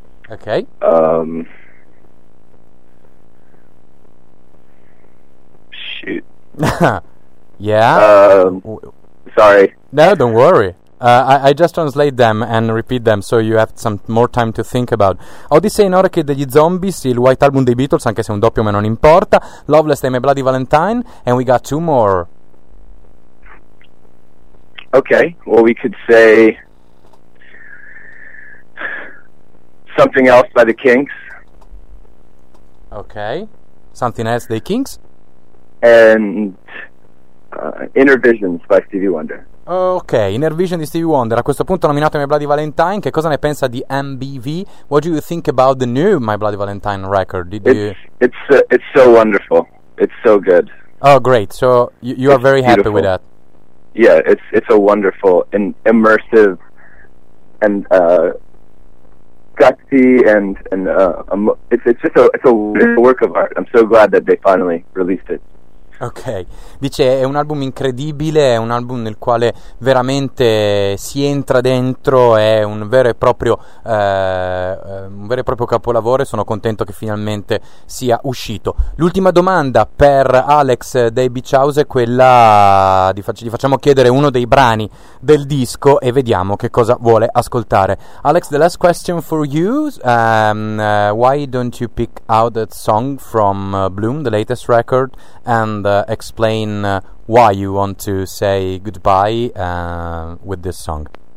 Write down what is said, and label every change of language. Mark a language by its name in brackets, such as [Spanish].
[English] Okay. Shoot. Yeah. Sorry. No, don't worry. I just translate them and repeat them, so you have some more time to think about. [Italian] Odyssey in Oracle degli Zombies, il White Album dei Beatles, anche se un doppio ma non importa. [English] Loveless and My Bloody Valentine, and we got 2 more. Okay. Well, we could say Something Else by the Kinks. Okay. Something Else by the Kinks. And Inner Visions by Stevie Wonder. [Italian] Ok, Inner Vision di Stevie Wonder. A questo punto nominato My Bloody Valentine, che cosa ne pensa di MBV? [English] What do you think about the new My Bloody Valentine record? It's so wonderful. It's so good. Oh, great. So you are very happy with that. Yeah, it's a wonderful and immersive and it's a work of art. I'm so glad that they finally released it. [Italian] Ok, dice è un album incredibile, è un album nel quale veramente si entra dentro, è un vero e proprio capolavoro e sono contento che finalmente sia uscito. L'ultima domanda per Alex dei Beach House è quella di gli facciamo chiedere uno dei brani del disco e vediamo che cosa vuole ascoltare. [English] Alex, the last question for you, why don't you pick out that song from Bloom, the latest record, and explain why you want to say goodbye with this song.